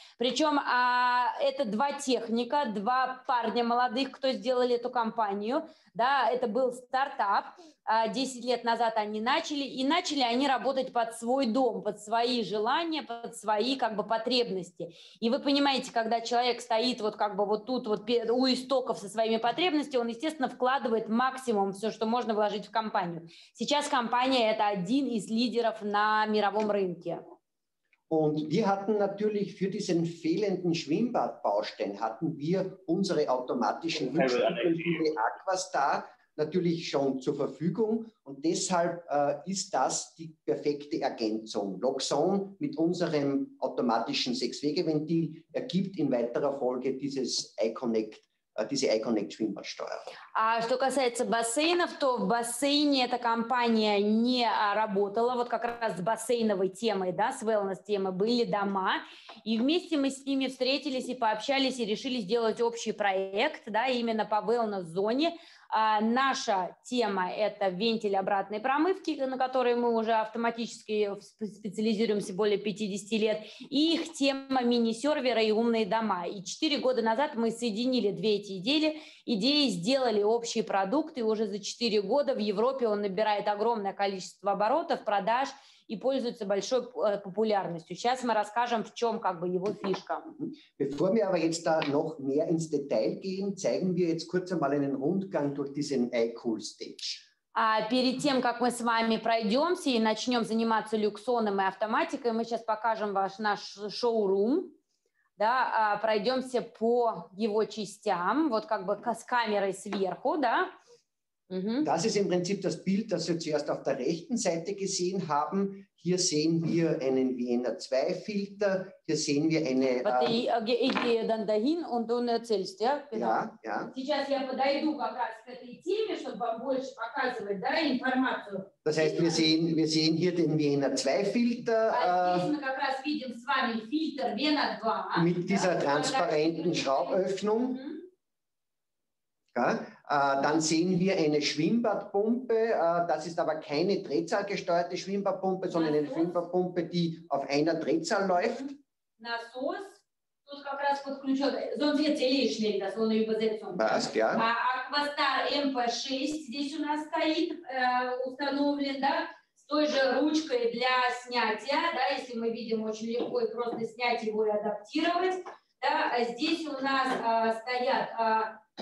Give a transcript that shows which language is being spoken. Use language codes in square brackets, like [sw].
[ru] Причем это два техника, два парня молодых, кто сделали эту компанию, да, это был стартап, 10 лет назад они начали, и начали они работать под свой дом, под свои желания, под свои как бы потребности. И вы понимаете, когда человек стоит вот как бы вот тут вот у истоков со своими потребностями, он, естественно, вкладывает максимум все, что можно вложить в компанию. Сейчас компания — это один из лидеров на мировом рынке. [de] Und wir hatten natürlich für diesen fehlenden Schwimmbadbaustein hatten wir unsere automatischen Wünsche, Aquastar, natürlich schon zur Verfügung. Und deshalb ist das die perfekte Ergänzung. Loxon mit unserem automatischen Sechs-Wege-Ventil ergibt in weiterer Folge dieses iConnect. [ru] Что касается бассейнов, то в бассейне эта компания не работала, вот как раз с бассейновой темой, да, с wellness-темой, были дома, и вместе мы с ними встретились и пообщались, и решили сделать общий проект, да, именно по wellness-зоне. Наша тема – это вентиль обратной промывки, на которой мы уже автоматически специализируемся более 50 лет. И их тема – мини-сервера и умные дома. И 4 года назад мы соединили две эти идеи, сделали общий продукт, и уже за 4 года в Европе он набирает огромное количество оборотов, продаж и пользуется большой популярностью. Сейчас мы расскажем, в чем как бы его фишка. [de] Bevor wir aber jetzt da noch mehr ins Detail gehen, zeigen wir jetzt kurz einmal einen Rundgang durch diesen iCool Stage. [ru] Перед тем, как мы с вами пройдемся и начнем заниматься люксоном и автоматикой, мы сейчас покажем наш шоу-рум. Да, пройдемся по его частям, вот как бы с камерой сверху, да. [de] Das ist im Prinzip das Bild, das wir zuerst auf der rechten Seite gesehen haben. Hier sehen wir einen Vienna 2 Filter. Hier sehen wir eine. Warte, ich gehe dann dahin und du erzählst, ja? Genau. Ja, ja. [ru] Сейчас я подойду как раз к этой теме, чтобы вам больше показывать, да, информацию. [de] Das heißt, wir sehen hier den Vienna 2 Filter. [ru] Здесь мы как раз видим с вами фильтр Vienna 2. [de] Mit dieser transparenten Schrauböffnung. Ja, dann sehen wir eine Schwimmbadpumpe, das ist aber keine drehzahlgesteuerte Schwimmbadpumpe, sondern eine Schwimmbadpumpe, die auf einer Drehzahl läuft. [ru] Насос, тут как раз подключен, [de] sonst wird sie [ru] лишний, [de] das ohne Übersetzung. Passt, ja. [ru] Aquastar MP6, здесь у нас стоит, установлен, да, с той же ручкой для снятия, да, если мы видим, очень легко и просто снять его и адаптировать, да, здесь у нас стоят...